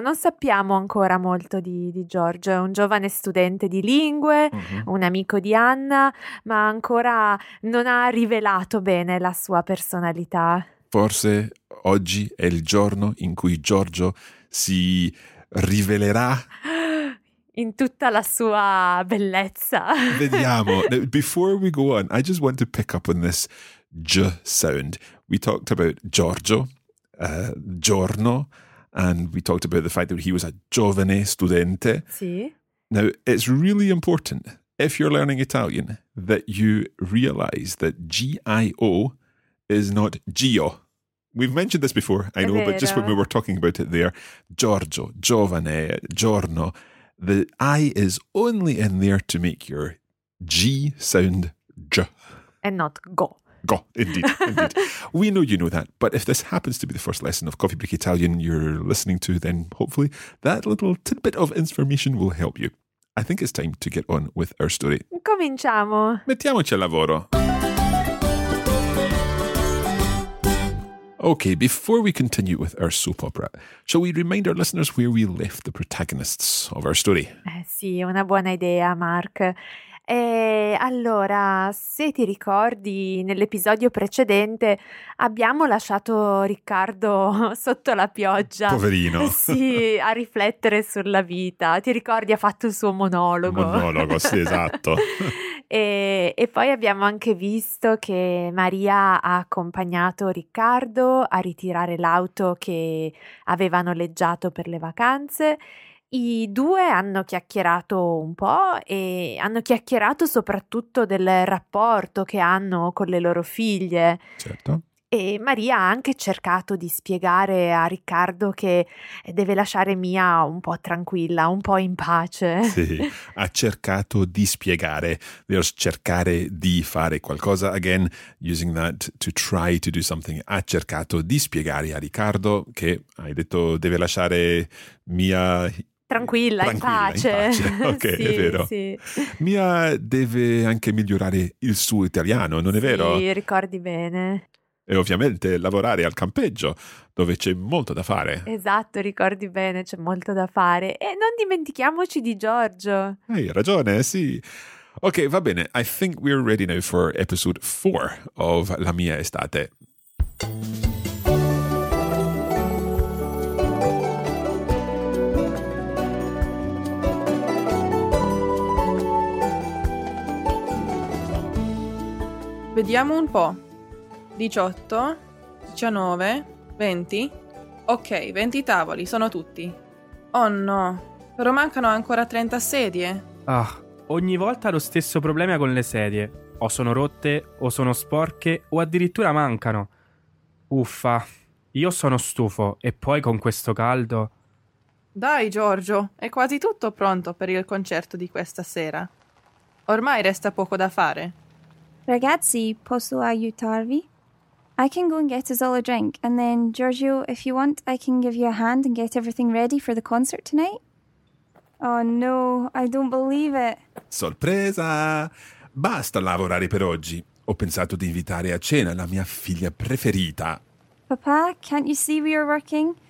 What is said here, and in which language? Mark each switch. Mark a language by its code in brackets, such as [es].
[it] Non sappiamo ancora molto di Giorgio. È un giovane studente di lingue, un amico di Anna, ma ancora non ha rivelato bene la sua personalità. Forse oggi è il giorno in cui Giorgio si rivelerà in tutta la sua bellezza. Vediamo. [en] Now, before we go on, I just want to pick up on this J sound. We talked about Giorgio, giorno, and we talked about the fact that he was a [it] giovane studente. Sì. [en] Now, it's really important, if you're learning Italian, that you realize that G-I-O is not Gio. We've mentioned this before, I know, but just when we were talking about it there, Giorgio, giovane, giorno, the I is only in there to make your G sound J. And not go. Go, indeed, indeed. We know you know that, but if this happens to be the first lesson of Coffee Break Italian you're listening to, then hopefully that little tidbit of information will help you. I think it's time to get on with our story. [it] Cominciamo. Mettiamoci al lavoro. Okay, before we continue with our soap opera, shall we remind our listeners where we left the protagonists of our story? Sì, una buona idea, Mark. E allora, se ti ricordi, nell'episodio precedente abbiamo lasciato Riccardo sotto la pioggia. Poverino. Sì, a riflettere sulla vita. Ti ricordi, ha fatto il suo monologo. Monologo, sì, esatto. E poi abbiamo anche visto che Maria ha accompagnato Riccardo a ritirare l'auto che aveva noleggiato per le vacanze. I due hanno chiacchierato un po' e hanno chiacchierato soprattutto del rapporto che hanno con le loro figlie. Certo. E Maria ha anche cercato di spiegare a Riccardo che deve lasciare Mia un po' tranquilla, un po' in pace. Sì, ha cercato di spiegare. There's cercare di fare qualcosa. [en] Again, using that to try to do something. [it] Ha cercato di spiegare a Riccardo che, hai detto, deve lasciare Mia... Tranquilla, in pace. Ok, sì, è vero. Sì. Mia deve anche migliorare il suo italiano, non è vero? Sì, ricordi bene. E ovviamente lavorare al campeggio, dove c'è molto da fare. Esatto, ricordi bene, c'è molto da fare. E non dimentichiamoci di Giorgio. Hai ragione, sì. Ok, va bene. [en] I think we're ready now for episode 4 of La Mia Estate. [it] Vediamo un po'. 18, 19, 20. Ok, 20 tavoli, sono tutti. Oh no, però mancano ancora 30 sedie. Ah, ogni volta lo stesso problema con le sedie. O sono rotte, o sono sporche, o addirittura mancano. Uffa, io sono stufo, e poi con questo caldo... Dai Giorgio, è quasi tutto pronto per il concerto di questa sera. Ormai resta poco da fare. Ragazzi, posso aiutarvi? [en] I can go and get us all a drink, and then, Giorgio, if you want, I can give you a hand and get everything ready for the concert tonight. Oh no, I don't believe it. [it] Sorpresa! Basta lavorare per oggi. Ho pensato di invitare a cena la mia figlia preferita. [en] Papà, can't you see we are working?